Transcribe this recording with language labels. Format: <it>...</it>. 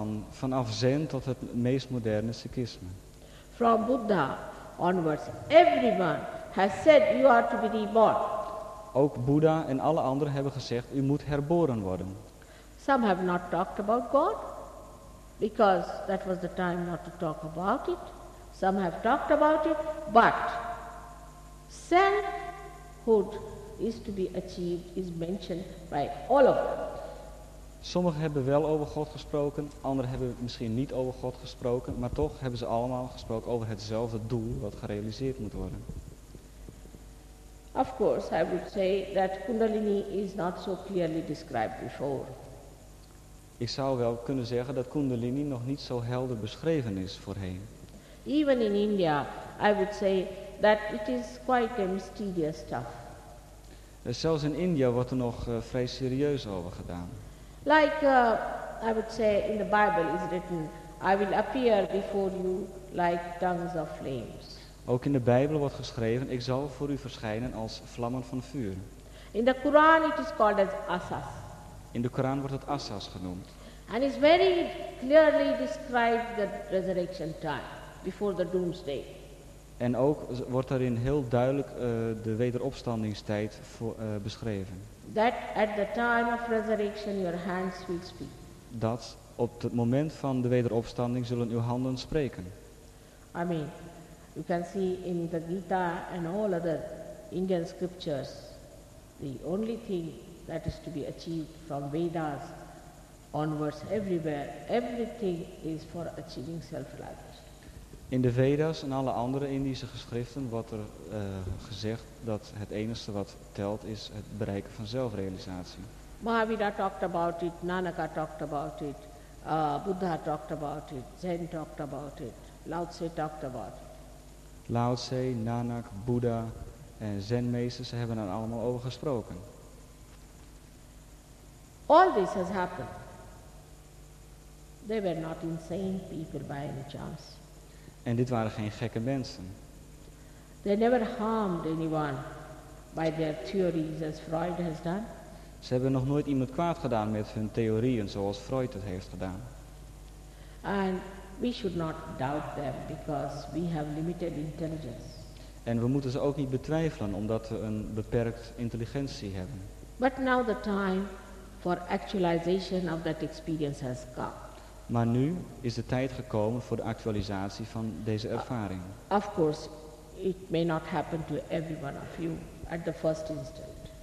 <nl>Vanaf Zen tot het meest moderne Sikhisme.</nl> <en>From Buddha onwards, everyone has said you are to be reborn.</en> <nl>Ook Boeddha en alle anderen hebben gezegd, u moet herboren worden.</nl> <en>Some have not talked about God, because that was the time not to talk about it. Some have talked about it, but selfhood is to be achieved, is mentioned by all of them.</en> <nl>Sommigen hebben wel over God gesproken, anderen hebben misschien niet over God gesproken, maar toch hebben ze allemaal gesproken over hetzelfde doel wat gerealiseerd moet worden.</nl> <en>Of course, I would say that Kundalini is not so clearly described before.</en> <nl>Ik zou wel kunnen zeggen dat Kundalini nog niet zo helder beschreven is voorheen.</nl> <en>Even in India, I would say that it is quite a mysterious stuff.</en> <nl>Zelfs in India wordt er nog vrij serieus over gedaan.</nl> <en>Like, I would say in the Bible is written, I will appear before you like tongues of flames.</en> <nl>Ook in de Bijbel wordt geschreven, ik zal voor u verschijnen als vlammen van vuur.</nl> <en>In the Quran it is called as asas.</en> <nl>In de Koran wordt het asas genoemd.</nl> <en>And it's very clearly described the resurrection time before the doomsday.</en> <nl>En ook wordt daarin heel duidelijk de wederopstandingstijd voor, beschreven.</nl> <en>That at the time of resurrection your hands will speak.</en> <nl>Dat op het moment van de wederopstanding zullen uw handen spreken.</nl> <en>I mean, you can see in the Gita and all other Indian scriptures, the only thing that is to be achieved from Vedas onwards, everywhere, everything is for achieving self-realization.</en> <nl>In de Vedas en alle andere Indische geschriften wordt er gezegd dat het enige wat telt is het bereiken van zelfrealisatie.</nl> <en>Mahavira talked about it, Nanaka talked about it, Buddha talked about it, Zen talked about it, Lao Tse talked about it.</en> <nl>Lao Tse, Nanak, Buddha en Zen-meesters hebben er allemaal over gesproken.</nl> <en>All this has happened. They were not insane people by any chance.</en> <nl>En dit waren geen gekke mensen.</nl> <en>They never harmed anyone by their theories as Freud has done.</en> <nl>Ze hebben nog nooit iemand kwaad gedaan met hun theorieën zoals Freud het heeft gedaan.</nl> <en>And we should not doubt them because we have limited intelligence.</en> <nl>En we moeten ze ook niet betwijfelen omdat we een beperkt intelligentie hebben.</nl> <en>But now the time for actualization of that experience has come.</en> <nl>Maar nu is de tijd gekomen voor de actualisatie van deze ervaring.</nl> <en>Of course, it may not happen to every one of you at the first instant.</en>